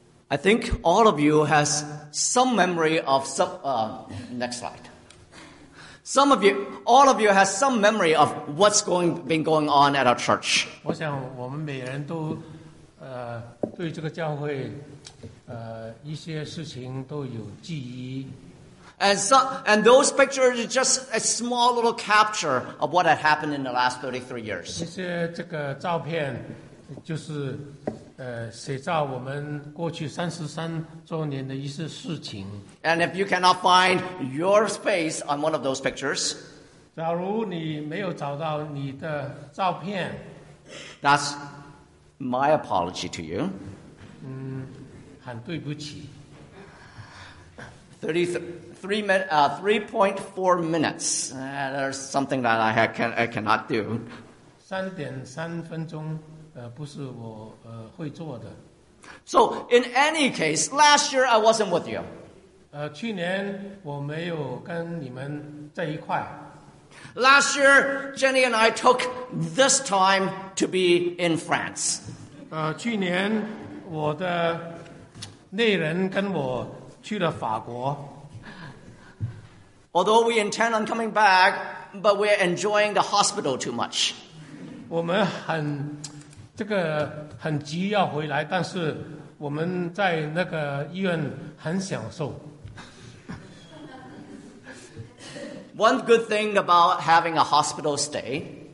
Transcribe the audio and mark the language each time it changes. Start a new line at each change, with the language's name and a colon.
English: I think all of you has some memory of some, next slide. All of you has some memory of what's been going on at our church.
Chinese: 我想我们每人都对这个教会一些事情都有记忆。
English: And those pictures are just a small little capture of what had happened in the last 33 years.
Chinese: 一些这个照片就是写照我们过去三十三周年的一些事情。
English: And if you cannot find your face on one of those pictures,
Chinese: 假如你没有找到你的照片
English: That's my apology to you.
Chinese: 嗯，很对不起。
English: 3.4 minutes. There's something that I cannot do.
Chinese: 3.3 分钟，不是我会做的。
English: So in any case, last year I wasn't with you.
Chinese: 去年我没有跟你们在一块。
English: Last year, Jenny and I took this time to be in France.
Chinese: 去年我的内人跟我去了法国。
English: Although we intend on coming back, but we're enjoying the hospital too much.
Chinese: 我们很这个很急要回来，但是我们在那个医院很享受。
English: One good thing about having a hospital stay.